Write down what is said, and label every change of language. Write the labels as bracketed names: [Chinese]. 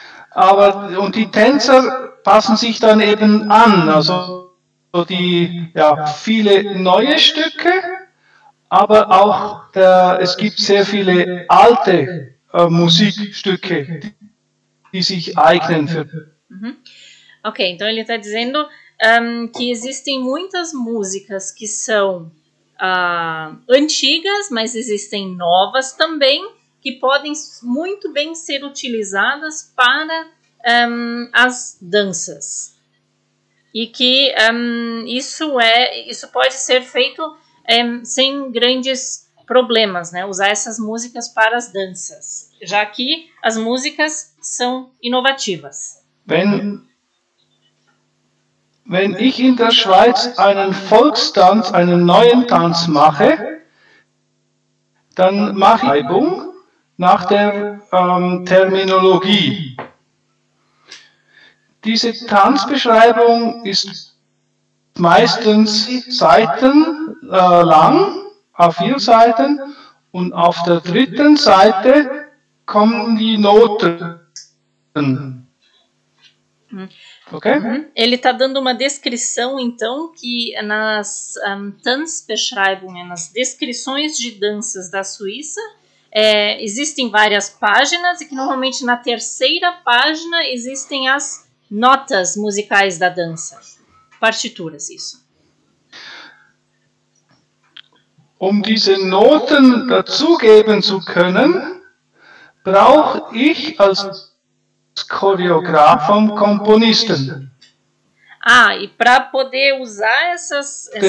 [German] Aber, und die Tänzer passen sich dann eben an, also die, ja, viele neue Stücke... Aber auch es gibt sehr viele alte Musikstücke, die sich eignen für. [Portuguese] Ok, então ele está dizendo que existem muitas músicas que são antigas, mas existem novas também, que podem muito bem ser utilizadas para as danças. e que isso pode ser feito sem grandes problemas, né? Usar essas músicas para as danças, já que as músicas são inovativas. [German] Wenn ich in der Schweiz einen Volkstanz, einen neuen Tanz mache, dann mache ich Reibung nach der Terminologie. Diese Tanzbeschreibung ist meistens seitenlang, auf vier Seiten, und auf der dritten Seite kommen die Noten. Okay. [Portuguese] Ele está dando uma descrição, então, que nas Tanzbeschreibungen, nas descrições de danças da Suíça, existem várias páginas e que normalmente na terceira página existem as notas musicais da dança, partituras, isso. [German] Diese Noten dazugeben zu können, brauche ich als Choreografen, Komponisten. [Portuguese] Ah, e para poder usar essas...